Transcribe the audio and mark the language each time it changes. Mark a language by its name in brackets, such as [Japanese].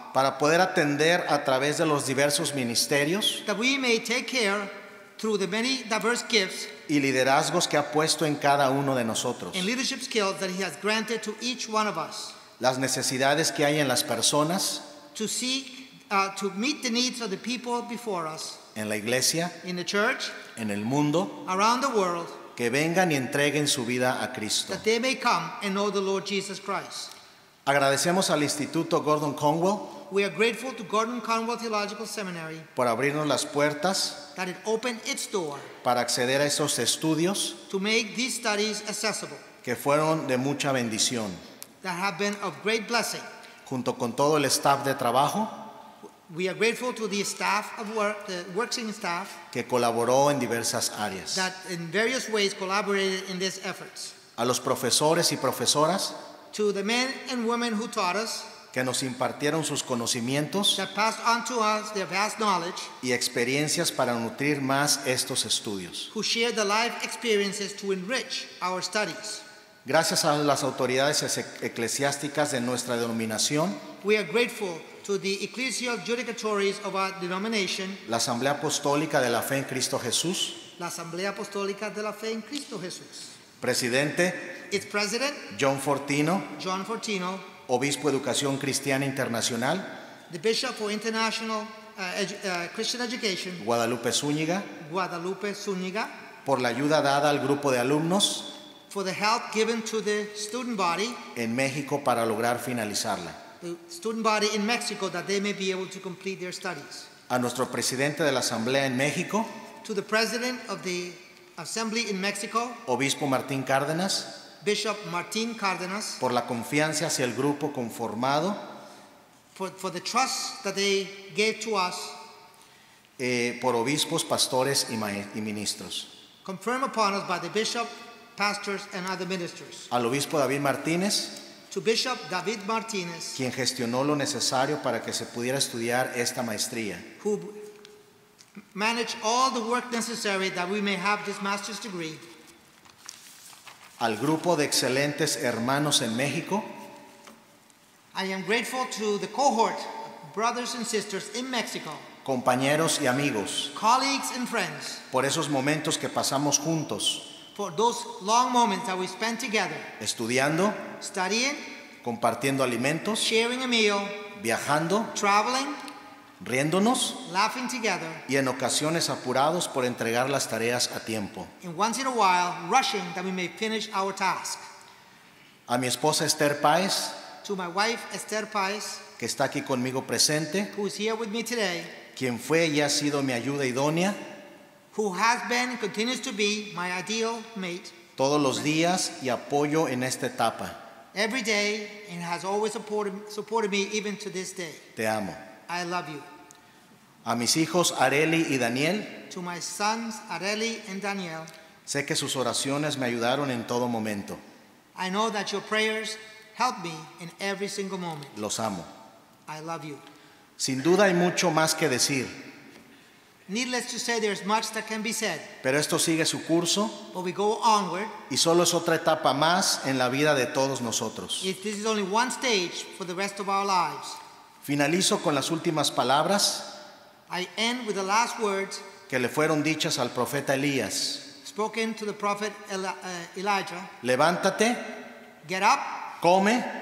[Spanish] para poder atender a través de los diversos ministerios, [English] that we may take care through the many diverse gifts, [Spanish] y liderazgos que ha puesto en cada uno de nosotros, [English] and leadership skills that he has granted to each one of us, [Spanish] las necesidades que hay en las personas, [English] to meet the needs of the people before us, [Spanish] en la iglesia, [English] in the church, [Spanish] en el mundo, [English] around the world, [Spanish] que vengan y entreguen su vida a Cristo, [English] that they may come and know the Lord Jesus Christ. [Spanish] Agradecemos al Instituto Gordon-Conwell. [English] We are grateful to Gordon-Conwell Theological Seminary [Spanish] por abrirnos las puertas, [English] that it opened its door, [Spanish] para acceder a esos estudios, [English] to make these studies accessible, [Spanish] que fueron de mucha bendición, [English] that have been of great blessing, [Spanish] junto con todo el staff de trabajo. [English] We are grateful to the staff of work, the working staff, [Spanish] que colaboró en diversas áreas, [English] that in various ways collaborated in these efforts, [Spanish] a los profesores y profesoras, [English] to the men and women who taught us, [Spanish] que nos impartieron sus conocimientos, [English] that passed on to us their vast knowledge, [Spanish] y experiencias para nutrir más estos estudios, [English] who shared the life experiences to enrich our studies. [Spanish] Gracias a las autoridades eclesiásticas de nuestra denominación, [English] we are grateful to the ecclesial judicatories of our denomination, [Spanish] la Asamblea Apostólica de la Fe en Cristo Jesús, la Asamblea Apostólica de la Fe en Cristo Jesús, presidente, [English] its president, [Spanish] John Fortino, Obispo Educación Cristiana Internacional, [English] the Bishop for International Christian Education, [Spanish] Guadalupe Zúñiga, por la ayuda dada al grupo de alumnos, [English] for the help given to the student body, [Spanish] en México para lograr finalizarla, [English] the student body in Mexico, that they may be able to complete their studies, [Spanish] a nuestro presidente de la Asamblea en México, [English] to the president of the assembly in Mexico, [Spanish] Obispo Martín Cárdenas, [English] Bishop Martin Cárdenas, [Spanish] por la confianza hacia el grupo conformado, [English] for the trust that they gave to us, [Spanish] por obispos, pastores y ministros, [English] confirmed upon us by the bishop, pastors and other ministers, [Spanish] al obispo David Martínez, [English] to Bishop David Martínez, [Spanish] quien gestionó lo necesario para que se pudiera estudiar esta maestría, [English] who managed all the work necessary that we may have this master's degree, [Spanish] al grupo de excelentes hermanos en México. [English] I am grateful to the cohort of brothers and sisters in Mexico. [Spanish] Compañeros y amigos. [English] Colleagues and friends. [Spanish] Por esos momentos que pasamos juntos. [English] For those long moments that we spent together. [Spanish] Estudiando. [English] Studying. [Spanish] Compartiendo alimentos. [English] Sharing a meal. [Spanish] Viajando. [English] Traveling. [Spanish] Riéndonos. [English] Laughing together. [Spanish] Y en ocasiones apurados por entregar las tareas a tiempo. [English] And once in a while, rushing that we may finish our task. [Spanish] A mi esposa Esther Páez. [English] To my wife Esther Páez. [Spanish] Que está aquí conmigo presente. [English] Who is here with me today. [Spanish] Quien fue y ha sido mi ayuda idónea. [English] Who has been and continues to be my ideal mate. [Spanish] Todos los días y apoyo en esta etapa. [English] Every day and has always supported me even to this day. [Spanish] Te amo. [English] I love you. [Spanish] A mis hijos Areli y Daniel. [English] To my sons Areli and Daniel. [Spanish] Sé que sus oraciones me ayudaron en todo momento. [English] I know that your prayers helped me in every single moment. [Spanish] Los amo. [English] I love you. [Spanish] Sin duda hay mucho más que decir. [English] Needless to say, there's much that can be said. [Spanish] Pero esto sigue su curso. [English] But we go onward. [Spanish] Y solo es otra etapa más en la vida de todos nosotros. [English] This is only one stage for the rest of our lives. [Spanish] Finalizo con las últimas palabras, [English] I end with the last words, [Spanish] que le fueron dichas al profeta Elías. [English] Spoken to the prophet Elijah. [Spanish] Levántate. [English] Get up. Come.